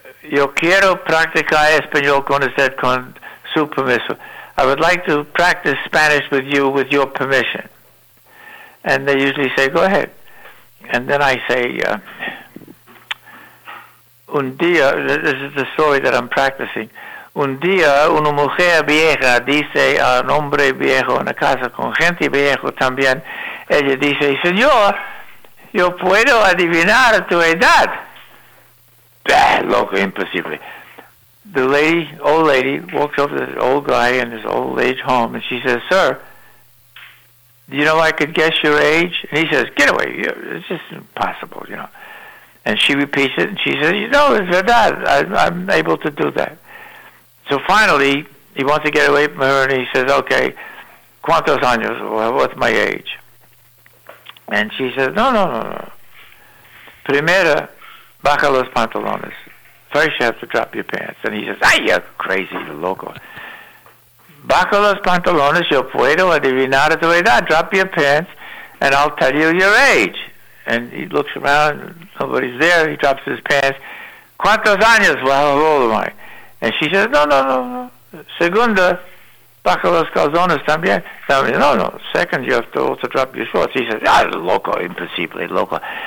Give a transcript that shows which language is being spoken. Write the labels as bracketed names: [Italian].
[Spanish] Yo quiero practicar español con usted con su permiso. [English] I would like to practice Spanish with you with your permission. And they usually say, go ahead. And then I say, [Spanish] un día, [English] this is the story that I'm practicing. [Spanish] Un día, una mujer vieja dice a un hombre viejo en la casa con gente viejo también, ella dice, señor, yo puedo adivinar tu edad. Bah, loco, imposible. [English] The lady, old lady, walks over to this old guy in his old age home, and she says, sir, do you know I could guess your age? And he says, get away, it's just impossible, you know. And she repeats it, and she says, you know, it's verdad, I'm able to do that. So finally, he wants to get away from her, and he says, okay, [Spanish] ¿cuántos años? [English] What's my age? And she says, no. [Spanish] Primera, baja los pantalones. [English] First, you have to drop your pants. And he says, ay, you're crazy, loco. [Spanish] Baja los pantalones, yo puedo adivinar tu edad. [English] Drop your pants, and I'll tell you your age. And he looks around, nobody's there. He drops his pants. [Spanish] ¿Cuántos años? [English] Well, how old am I? And she says, no. [Spanish] Segunda, baja los calzones también. No. [English] Second, you have to also drop your shorts. He says, ah, [Spanish] loco, imposible, loco.